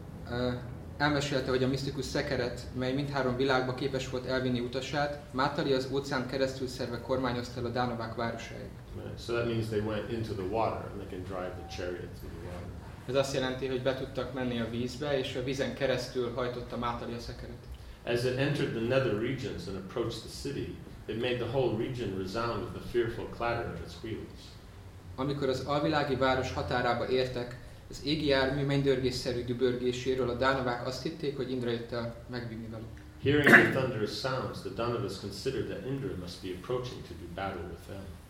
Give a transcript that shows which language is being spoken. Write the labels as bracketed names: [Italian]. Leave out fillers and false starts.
[Hungarian] Arjuna elmesélte, hogy a misztikus szekeret, mely mindhárom világba képes volt elvinni utasát, Matuli az óceán keresztül szerve kormányozta a Dánovák városait. [English] So that means they went into the water and they can drive the chariot through the water. [Hungarian] Ez azt jelenti, hogy be tudtak menni a vízbe, és a vízen keresztül hajtotta Matuli a szekeret. [English] As it entered the nether regions and approached the city, it made the whole region resound with the fearful clatter of its wheels. [Hungarian] Amikor az alvilági város határába értek, az égi jármű mennydörgésszerű dübörgéséről a dánovák azt hitték, hogy Indra jött el megvinni velük. [English] Hearing the thunderous sounds, the Dhanavas considered that Indra must be approaching to do battle with them.